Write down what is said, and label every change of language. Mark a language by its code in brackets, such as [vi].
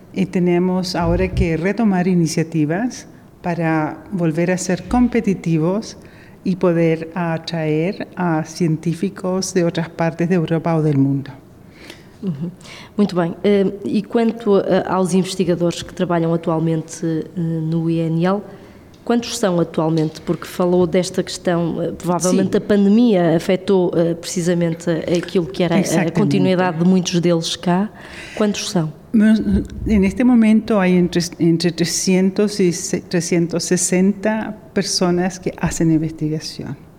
[es] Y tenemos ahora que retomar iniciativas para volver a ser competitivos y poder atraer a científicos de otras partes de Europa o del mundo. [pt] Muito bem. E quanto aos investigadores que trabalham atualmente no INL, quantos são atualmente? Porque falou desta questão, provavelmente Sim. a pandemia afetou precisamente aquilo que era Exatamente. A continuidade de muitos deles cá. Quantos são? [es] En este momento hay entre 300 y 360 personas que hacen investigación.